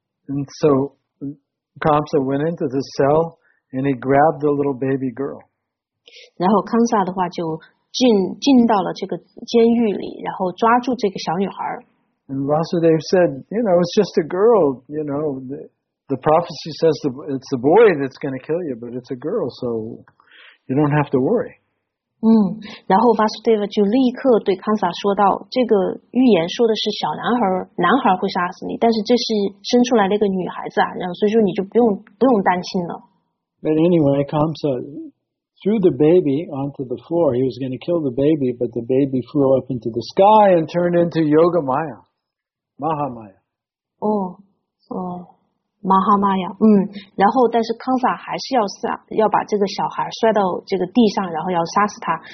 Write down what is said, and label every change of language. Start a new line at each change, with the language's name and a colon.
English: And so Kamsa went into the cell and he grabbed the little baby girl.
Chinese: 然后 Kamsa 的话就进到了这个监狱里，然后抓住这个小女孩。
English: And Vasudev said, you know, it's just a girl, you know, the prophecy says it's the boy that's going to kill you, but it's a girl, so you don't have to worry.
Chinese: 然后 Vasudev 就立刻对 Kamsa 说道，这个预言说的是小男孩会杀死你，但是这是生出来的一个女孩子啊，然后所以说你就不用担心了。
English: But anyway, Kamsa,threw the baby onto the floor. He was going to kill the baby, but the baby flew up into the sky and turned into Yogamaya, Mahamaya. Mahamaya.
Chinese: 然后但是康萨还是要把这个小孩摔到这个地上，然后要杀死他。